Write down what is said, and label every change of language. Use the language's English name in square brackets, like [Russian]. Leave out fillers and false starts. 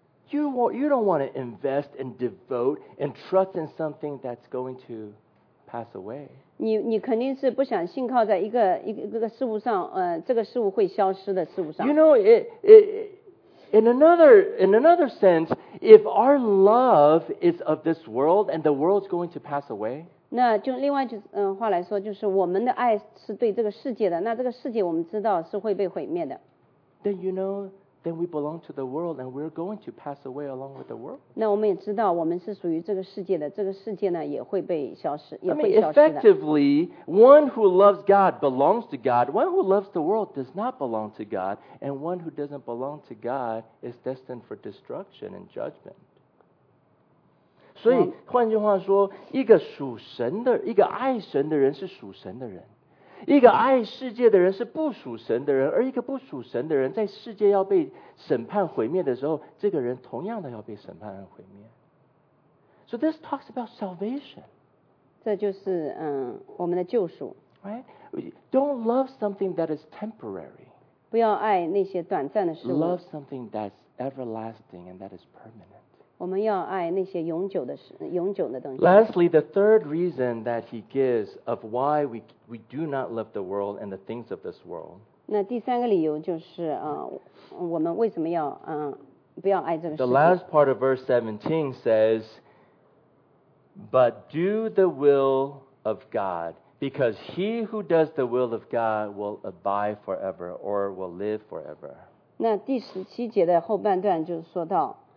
[English] You don't want to invest and devote and trust in something that's going to pass away. [Chinese] 你肯定是不想信靠在一个事物上，这个事物会消失的事物上。 [English] You know In another sense, if our love is of this world and the world's going to pass away, [Chinese] 那就另外话来说，就是我们的爱是对这个世界的，那这个世界我们知道是会被毁灭的。 [English] Then you know, then we belong to the world and we're going to pass away along with the world. [Chinese] 那我们也知道我们是属于这个世界的，这个世界呢也会被消失，也会消失的。 [English] I mean, effectively, one who loves God belongs to God. One who loves the world does not belong to God. And one who doesn't belong to God is destined for destruction and judgment. [Chinese] 所以换句话说，一个属神的，一个爱神的人是属神的人。一个爱世界的人是不属神的人，而一个不属神的人在世界要被审判毁灭的时候，这个人同样的要被审判和毁灭。 [English] So this talks about salvation. [Chinese] 这就是我们的救赎。 [English] Right? Don't love something that is temporary. [Chinese] 不要爱那些短暂的事物。 [English] Love something that's everlasting and that is permanent. [Chinese] 我们要爱那些永久的东西。 [English] Lastly, the third reason that he gives of why we do not love the world and the things of this world. [Chinese] 那第三个理由就是我们为什么要不要爱这个世界。 [English] The last part of verse 17 says, "But do the will of God, because he who does the will of God will abide forever, or will live forever." [Chinese] 那第十七节的后半段就是说到。